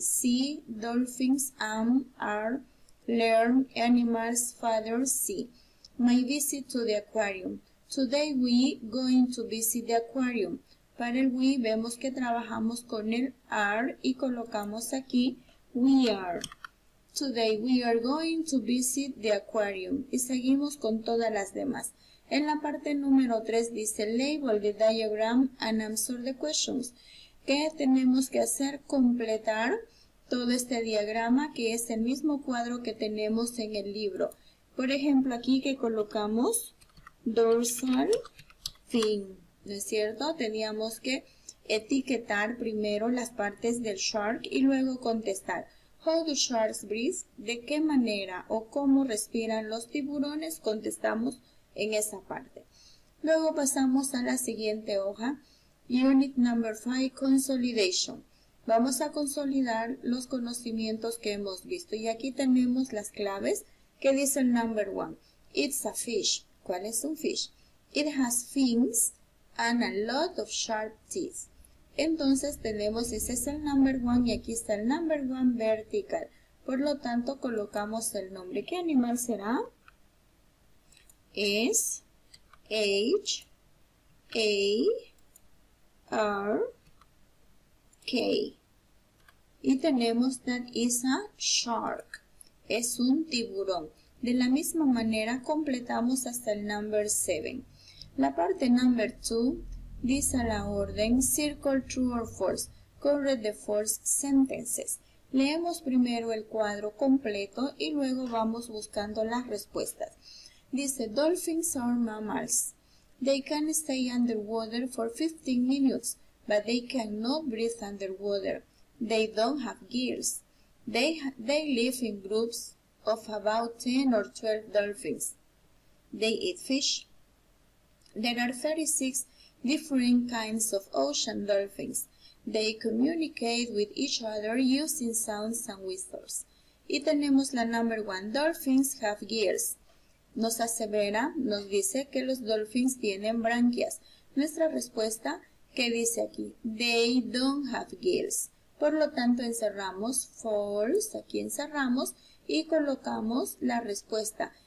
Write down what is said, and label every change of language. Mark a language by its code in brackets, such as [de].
[en] See, dolphins, am, are, learn, animals, father, see. My visit to the aquarium. Today we going to visit the aquarium. [es] Para el we vemos que trabajamos con el are y colocamos aquí [en] we are. Today we are going to visit the aquarium. [es] Y seguimos con todas las demás. En la parte número 3 dice [en] label the diagram and answer the questions. [es] ¿Qué tenemos que hacer? Completar todo este diagrama que es el mismo cuadro que tenemos en el libro. Por ejemplo, aquí que colocamos dorsal fin, ¿no es cierto? Teníamos que etiquetar primero las partes del shark y luego contestar. [en] How do sharks breathe? [es] ¿De qué manera o cómo respiran los tiburones? Contestamos en esa parte. Luego pasamos a la siguiente hoja. [en] Unit number 5, consolidation. [es] Vamos a consolidar los conocimientos que hemos visto. Y aquí tenemos las claves. ¿Qué dice el number 1? [en] It's a fish. [es] ¿Cuál es un fish? [en] It has fins and a lot of sharp teeth. [es] Entonces tenemos, ese es el number 1 y aquí está el number 1 vertical. Por lo tanto, colocamos el nombre. ¿Qué animal será? Es H A R K. Y tenemos [en] that is a shark. [es] Es un tiburón. De la misma manera, completamos hasta el number 7. La parte number 2 dice a la orden, [en] circle true or false, correct the false sentences. [es] Leemos primero el cuadro completo y luego vamos buscando las respuestas. Dice, [en] dolphins are mammals. They can stay underwater for 15 minutes, but they cannot breathe underwater. They don't have gills. They live in groups of about 10 or 12 dolphins. They eat fish. There are 36 different kinds of ocean dolphins. They communicate with each other using sounds and whistles. [es] Y tenemos la [en] number one. Dolphins have gills. [es] Nos asevera, nos dice que los dolphins tienen branquias. Nuestra respuesta, ¿qué dice aquí? [en] They don't have gills. [es] Por lo tanto, encerramos false, aquí encerramos y colocamos la respuesta.